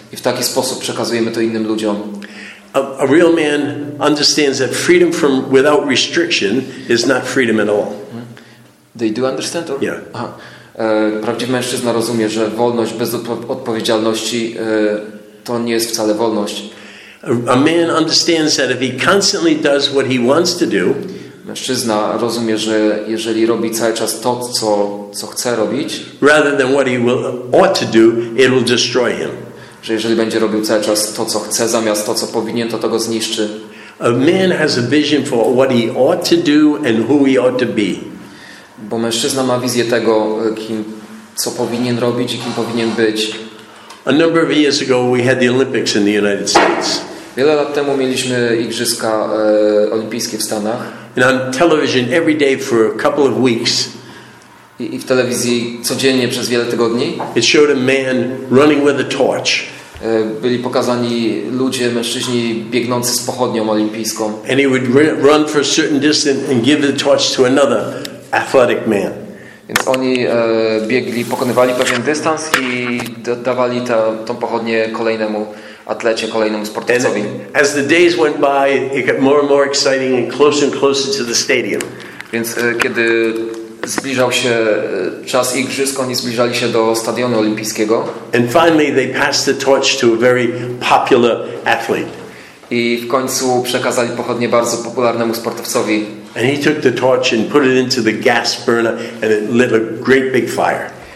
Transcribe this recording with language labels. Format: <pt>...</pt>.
<pl>I w taki sposób przekazujemy to innym ludziom.</pl> <en>A real man understands that freedom from without restriction is not freedom at all. They do understand, or? Yeah.</en> <pl>Prawdziwy mężczyzna rozumie, że wolność bez odpowiedzialności to nie jest wcale wolność.</pl> <en>A man understands that if he constantly does what he wants to do,</en> <pl>mężczyzna rozumie, że jeżeli robi cały czas to, co chce robić,</pl> <en>rather than what he will ought to do, it will destroy him.</en> <pl>Że jeżeli będzie robił cały czas to, co chce, zamiast to, co powinien, to go zniszczy.</pl> <en>A man has a vision for what he ought to do and who he ought to be.</en> <pl>Bo mężczyzna ma wizję tego, kim, co powinien robić i kim powinien być.</pl> <en>A number of years ago we had the Olympics in the United States.</en> <pl>Wiele lat temu mieliśmy igrzyska olimpijskie w Stanach.</pl> <en>And on television every day for a couple of weeks.</en> <pl>I w telewizji codziennie przez wiele tygodni.</pl> <en>It showed a man running with a torch.</en> <pl>Byli pokazani ludzie, mężczyźni biegnący z pochodnią olimpijską.</pl> <en>And he would run for a certain distance and give the torch to another athletic man.</en> <pl>Więc oni biegli, pokonywali pewien dystans i dawali tą pochodnię kolejnemu atlecie, kolejnemu sportowcowi.</pl> <en>As the days went by, it got more and more exciting and closer to the stadium.</en> <pl>Więc kiedy zbliżał się czas igrzysk, oni zbliżali się do stadionu olimpijskiego.</pl> <en>And finally they passed the torch to a very popular athlete.</en> <pl>I w końcu przekazali pochodnię bardzo popularnemu sportowcowi.</pl> <en>And he took the torch and put it into the gas burner and it lit a great big fire.</en>